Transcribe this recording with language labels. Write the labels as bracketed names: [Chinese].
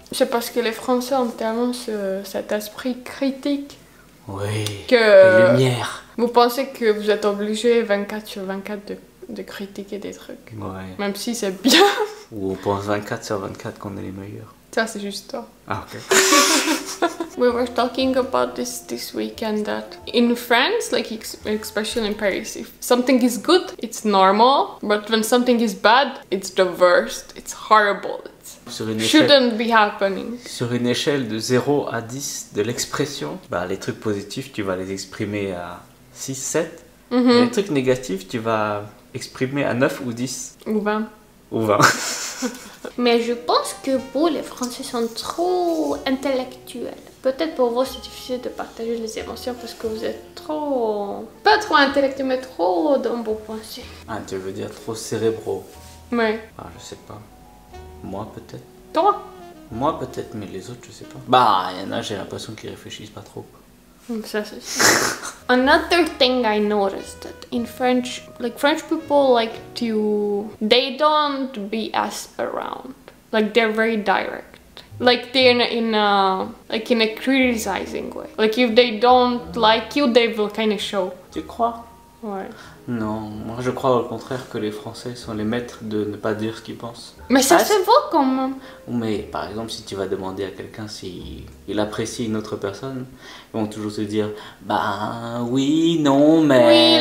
[French] C'est parce que les Français ont tellement cet esprit critique. Oui, que lumière. Vous pensez que vous êtes obligé 24 sur 24 de critiquer des trucs. Ouais. Même si c'est bien. Ou on pense 24 sur 24 qu'on est les meilleurs. Ça, c'est juste toi. Ah, ok. [English] We were talking about this weekend that in France, like especially in Paris, if something is good, it's normal. But when something is bad, it's the worst. It's horrible. It shouldn't be happening. [French] Sur une échelle de 0 à 10 de l'expression, bah, les trucs positifs, tu vas les exprimer à 6, 7. Mm-hmm. Les trucs négatifs, tu vas... exprimé à 9 ou 10 ou 20 ou 20. Mais je pense que vous les Français sont trop intellectuels. Peut-être pour vous c'est difficile de partager les émotions parce que vous êtes pas trop intellectuels mais trop dans vos pensées. Ah, tu veux dire trop cérébraux? Ouais. Ah, je sais pas. Moi peut-être. Toi? Moi peut-être, mais les autres je sais pas. Bah, il y en a, j'ai l'impression qu'ils réfléchissent pas trop. [English] Another thing I noticed that in French, like French people like to, they don't BS around. Like they're very direct. Like they're in a criticizing way. Like if they don't like you, they will kind of show. [French] Tu crois? Ouais. Non, moi je crois au contraire que les Français sont les maîtres de ne pas dire ce qu'ils pensent. Mais ça se voit quand même. Mais par exemple, si tu vas demander à quelqu'un s'il apprécie une autre personne, ils vont toujours se dire bah oui, non, mais.